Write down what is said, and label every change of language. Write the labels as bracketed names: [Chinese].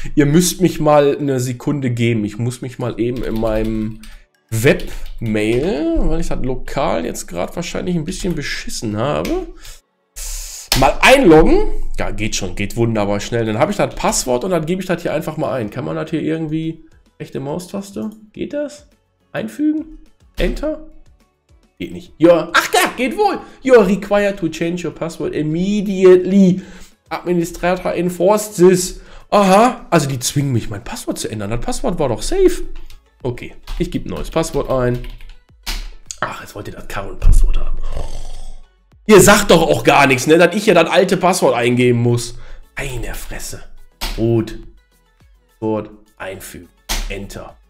[German] Ihr müsst mich mal eine Sekunde geben. Ich muss mich mal eben in meinem Webmail, weil ich das lokal jetzt gerade wahrscheinlich ein bisschen beschissen habe, mal einloggen. Ja, geht schon, geht wunderbar schnell. Dann habe ich das Passwort und dann gebe ich das hier einfach mal ein. Kann man das hier irgendwie, echte Maustaste, geht das? Einfügen? Enter? Geht nicht. Ja, ach ja, geht wohl. [English] You're required to change your password immediately. Administrator enforced this. [German] Aha, also die zwingen mich, mein Passwort zu ändern. Das Passwort war doch safe. Okay, ich gebe ein neues Passwort ein. Ach, jetzt wollt ihr das Karen-Passwort haben. Oh. Ihr sagt doch auch gar nichts, ne? Dass ich ja das alte Passwort eingeben muss. Eine Fresse. Root. Passwort einfügen. Enter.